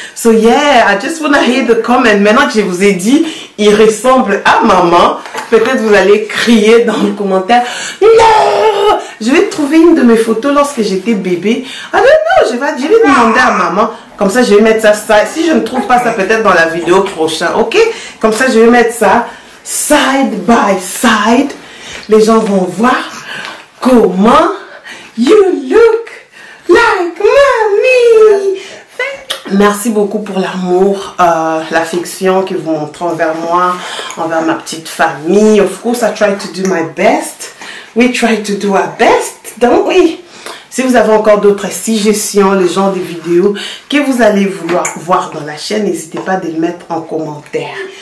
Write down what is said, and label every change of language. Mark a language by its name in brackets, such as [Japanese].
[English] So yeah, I just wanna hear the comment. [French] Maintenant que je vous ai dit, il ressemble à maman. Peut-être vous allez crier dans le commentaire. Non! Je vais trouver une de mes photos lorsque j'étais bébé. [English] I don't know, [French] je vais demander à maman. Comme ça, je vais mettre ça. Si je ne trouve pas ça, peut-être dans la vidéo prochaine, ok? Comme ça, je vais mettre ça [English] side by side. [French] Les gens vont voir comment [English] you look like mommy. [French] Merci beaucoup pour l'amour, l'affection que vous montrez envers moi, envers ma petite famille. [English] Of course, I try to do my best. We try to do our best, don't we? [French] Si vous avez encore d'autres suggestions, le genre de vidéos que vous allez vouloir voir dans la chaîne, n'hésitez pas à les mettre en commentaire.